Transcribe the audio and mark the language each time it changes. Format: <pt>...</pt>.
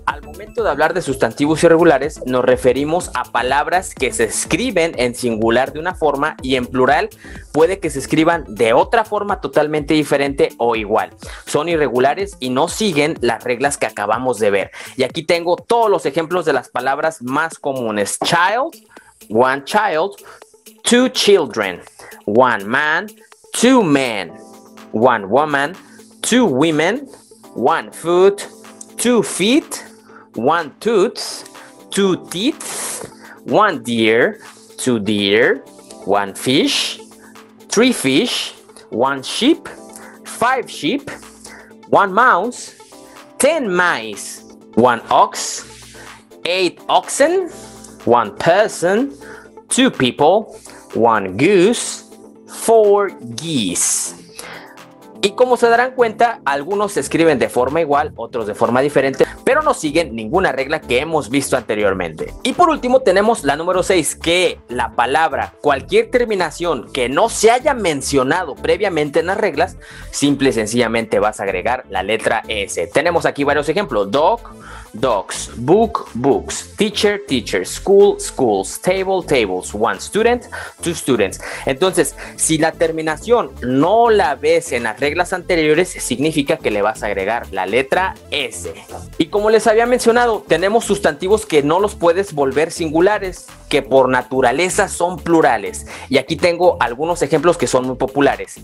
<es>Al momento de hablar de sustantivos irregulares, nos referimos a palabras que se escriben en singular de una forma y en plural puede que se escriban de otra forma totalmente diferente o igual. Son irregulares y no siguen las reglas que acabamos de ver. Y aquí tengo todos los ejemplos de las palabras más comunes.</es> <en>Child, one child, two children, one man, two men, one woman, two women, one foot, two feet, one tooth, two teeth, one deer, two deer, one fish, three fish, one sheep, five sheep, one mouse, 10 mice, one ox, 8 oxen, one person, two people, one goose, 4 geese.</en> <es>Y como se darán cuenta, algunos se escriben de forma igual, otros de forma diferente, pero no siguen ninguna regla que hemos visto anteriormente. Y por último tenemos la número 6, que la palabra, cualquier terminación que no se haya mencionado previamente en las reglas, simple y sencillamente vas a agregar la letra S. Tenemos aquí varios ejemplos.</es> <en>Dog, dogs, book, books, teacher, teachers, school, schools, table, tables, one student, two students.</en> <es>Entonces, si la terminación no la ves en las reglas anteriores, significa que le vas a agregar la letra S. Y como les había mencionado, tenemos sustantivos que no los puedes volver singulares, que por naturaleza son plurales. Y aquí tengo algunos ejemplos que son muy populares.</es>